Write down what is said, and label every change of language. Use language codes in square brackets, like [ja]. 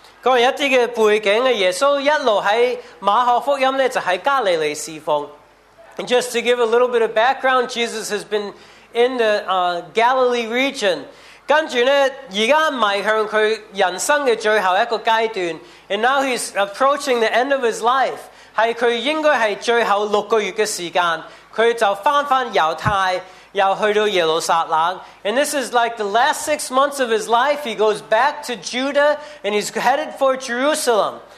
[yue] 咁一啲嘅背景嘅，耶稣一路喺马可福音咧就喺加利利侍奉。 [en] And just to give a little bit of background, Jesus has been in the Galilee region. [yue] 跟住咧，而家迈向佢人生嘅最后一个阶段。 [en] And now he's approaching the end of his life. [yue] 系佢应该系最后六个月嘅时间，佢就翻犹太，又去到耶路撒冷。 [en] And this is like the last 6 months of his life. He goes back to Judah and he's headed for Jerusalem.